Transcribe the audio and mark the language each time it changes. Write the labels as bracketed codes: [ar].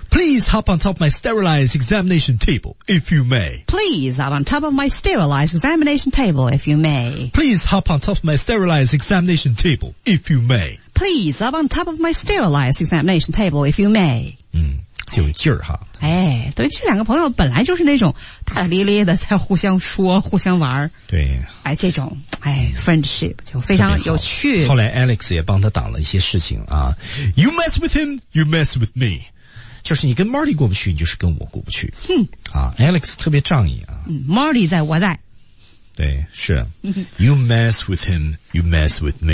[en] Please hop on top of my sterilized examination table, if you may. Please hop on top of my sterilized examination table, if you may. Please hop on top of my sterilized examination table, if you may. Please hop on top of my sterilized examination table, if you may. [zh] 就有劲儿哈。哎，对，这两个朋友本来就是那种大大咧咧的在互相说互相玩。对。哎，这种哎 ,friendship 就非常有趣。后来 Alex 也帮他挡了一些事情啊。 [en] You mess with him, you mess with me. [zh] 就是你跟 Marty 过不去，你就是跟我过不去。 Alex 特别仗义啊。 Marty 在，我在。对，是。 [en] You mess with him, you mess with me.